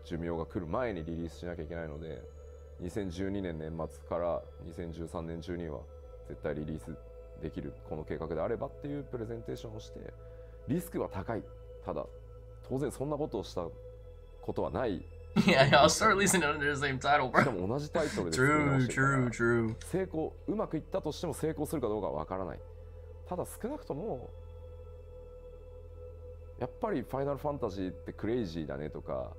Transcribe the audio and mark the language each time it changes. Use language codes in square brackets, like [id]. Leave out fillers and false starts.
[ja] 寿命が来る前にリリースしなきゃいけないので、2012年年末から2013年中には絶対リリースできるこの計画であればっていうプレゼンテーションをして、リスクは高い。ただ、当然そんなことをしたことはない。 [en] Yeah, I'll start releasing it under the same title, bro. [ja] でも同じタイトルで [en] True. [ja] 成功、うまくいったとしても成功するかどうかはわからない。ただ少なくとも、やっぱりファイナルファンタジーってクレイジーだねとか。